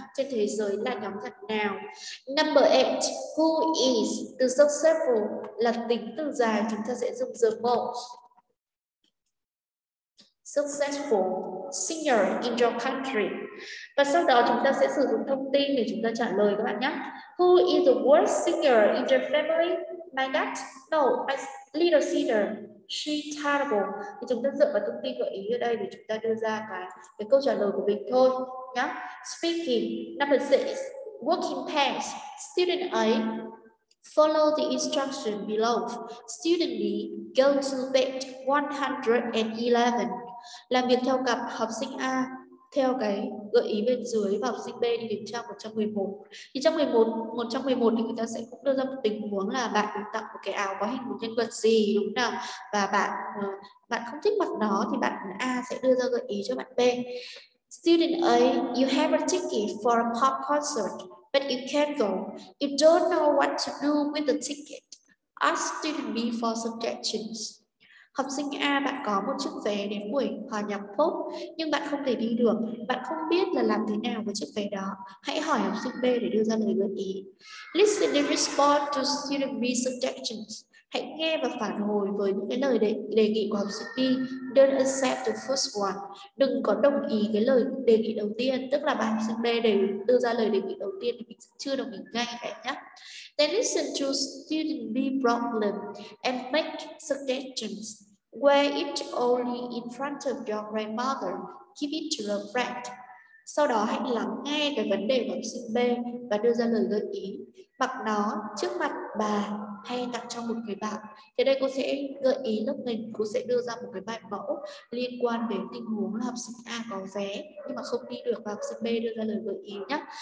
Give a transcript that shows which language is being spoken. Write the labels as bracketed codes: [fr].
[vi] Trên thế giới là nhóm nhạc nào? [en] Number 8, who is, [vi] từ successful là tính từ dài, chúng ta sẽ dùng [en] the most successful singer in your country. [vi] Và sau đó chúng ta sẽ sử dụng thông tin để chúng ta trả lời các bạn nhé. [en] Who is the worst singer in your family? My dad? No, my little sister. She's terrible. [vi] Thì chúng ta dựa vào thông tin gợi ý ở đây để chúng ta đưa ra cái câu trả lời của mình thôi nhá. [en] Speaking. Number 6. Working pace. Student A, follow the instruction below. Student B, go to bed 111. [vi] Làm việc theo cặp, học sinh A theo cái gợi ý bên dưới và học sinh B đi đến trang 111. Thì trang 111 thì người ta sẽ cũng đưa ra một tình huống là bạn được tặng một cái áo có hình một nhân vật gì, đúng nào, và bạn không thích mặc nó, thì bạn A sẽ đưa ra gợi ý cho bạn B. [en] Student A, you have a ticket for a pop concert, but you can't go. You don't know what to do with the ticket. Ask student B for suggestions. [vi] Học sinh A, bạn có một chiếc vé đến buổi hòa nhạc pop nhưng bạn không thể đi được. Bạn không biết là làm thế nào với chiếc vé đó. Hãy hỏi học sinh B để đưa ra lời gợi ý. [en] Listen and respond to student B's suggestions. [vi] Hãy nghe và phản hồi với những cái lời đề nghị của học sinh B. [en] Don't accept the first one. [vi] Đừng có đồng ý cái lời đề nghị đầu tiên. Tức là bạn học sinh B để đưa ra lời đề nghị đầu tiên thì mình chưa đồng ý ngay cả nhé. [en] Then listen to student B problem and make suggestions. Wear it only in front of your grandmother. Keep it to a friend. [vi] Sau đó hãy lắng nghe cái vấn đề của học sinh B và đưa ra lời gợi ý. Mặc nó trước mặt bà hay tặng cho một người bạn. Thì đây cô sẽ gợi ý lớp mình, cô sẽ đưa ra một cái bài mẫu liên quan đến tình huống là học sinh A có vé nhưng mà không đi được và học sinh B đưa ra lời gợi ý nhé.